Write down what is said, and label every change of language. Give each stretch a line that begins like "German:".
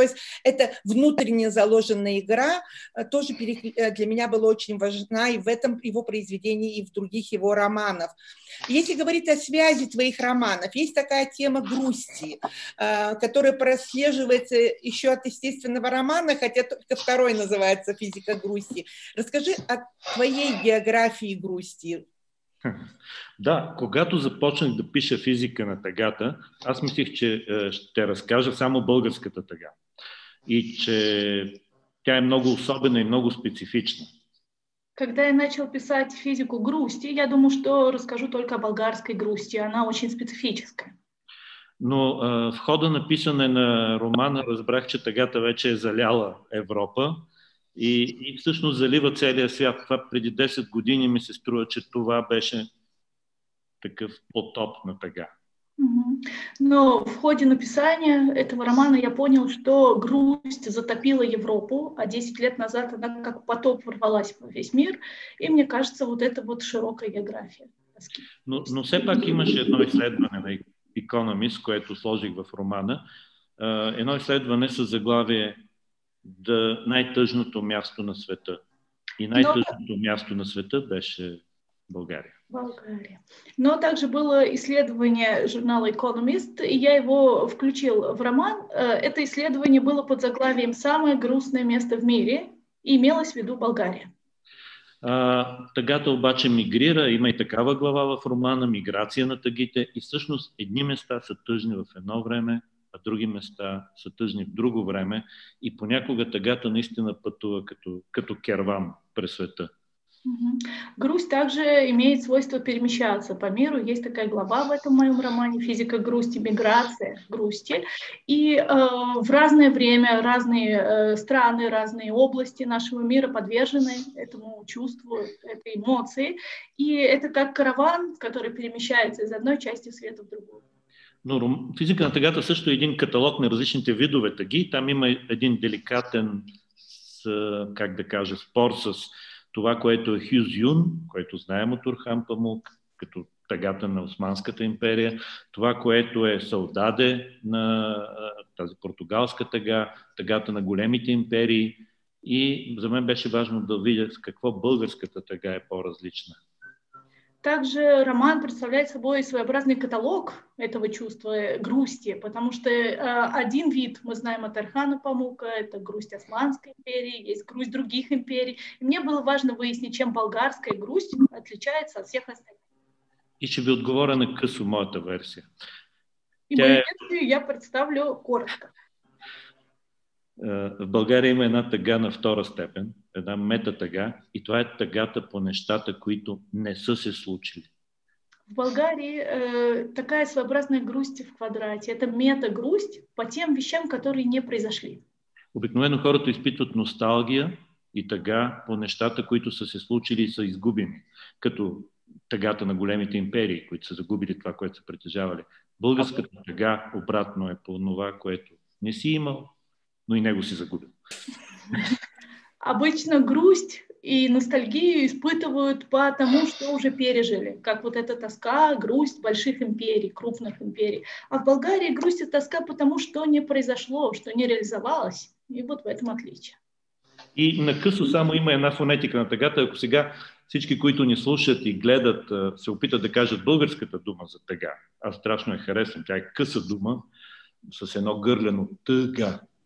Russian: То есть это внутренне заложенная игра тоже для меня была очень важна и в этом его произведении, и в других его романах. Если говорить о связи твоих романов, есть такая тема грусти, которая прослеживается еще от естественного романа, хотя только второй называется «Физика грусти». Расскажи о твоей географии грусти.
Bulgarian: Да, когато започнах да пиша «Физика на тъгата», аз мислих, че ще разкажа само българската тъга. И че тя е много особена и много специфична.
Russian: Когда я начал писать «Физику грусти», я думал, что расскажу только о българской грусти. Она очень специфическая.
Bulgarian: Но в хода на писане на романа разбрах, че тъгата вече е заляла Европа. И всъщност залива целия свят. Това преди 10 години ми се струва, че това беше такъв потоп на тъга.
Russian: Но в ходе написания этого романа я понял, что грусть затопила Европу, а 10 лет назад она как потоп ворвалась во весь мир. И мне кажется, вот это вот широкая география.
Bulgarian: Но все пак имаше едно изследване на Economist, което сложих в романа. Едно изследване с заглавие да най-тъжното място на света. И най-тъжното място на света беше България. България.
Russian: Но также было исследование журнала Economist, и я его включил в роман. Это исследование было под заглавием «Самое грустное место в мире», и имелось в виду България.
Bulgarian: Тъгата обаче мигрира, има и такава глава в романа «Миграция на тъгите», и всъщност едни места са тъжни в едно време, а други места са тъжни в друго време и понякога тъгата наистина пътува като керван през света.
Russian: Грусть также имеет свойство перемещаться по миру. Есть такая глава в этом моем романе «Физика грусти», «Миграция грусти». И в разное время разные страны, разные области нашего мира подвержены этому чувству, этой эмоции. И это как караван, который перемещается из одной части света в другую.
Bulgarian: Но «Физика на тъгата» също е един каталог на различните видове тъги. Там има един деликатен, как да кажа, спор с това, което е Хюз Юн, който знаем от Орхан Памук, като тъгата на Османската империя, това, което е Саудаде на тази португалска тъга, тъгата на големите империи. И за мен беше важно да видя с какво българската тъга е по-различна.
Russian: Также роман представляет собой своеобразный каталог этого чувства грусти, потому что один вид мы знаем от Орхана Памука, это грусть Османской империи, есть грусть других империй. И мне было важно выяснить, чем болгарская грусть отличается от всех остальных. И чтобы отговорить на косу мою версию. И мою версию я представлю коротко.
Bulgarian: В България има една тъга на втора степен, една метатъга, и това е тъгата по нещата, които не са се случили.
Russian: В България такая своеобразная грусть в квадрате. Это метагрусть по тем вещам, которые не произошли.
Bulgarian: Обикновено хората изпитват носталгия и тъга по нещата, които са се случили и са изгубени, като тъгата на големите империи, които са загубили това, което са притежавали. Българската тъга обратно е по това, което не си имал, но и него си загубил.
Russian: Обычно грусть и ностальгию испытывают по тому, что уже пережили. Как вот эта тоска, грусть больших империй, крупных империй. А в Болгарии грусть и тоска потому, что не произошло, что не реализовалось. И вот в этом отличие.
Bulgarian: И на късо само има една фонетика на тъгата. Ако сега всички, които ни слушат и гледат, се опитат да кажат българската дума за тъга. Аз страшно я харесвам. Тя е къса дума с едно гърлено тъга.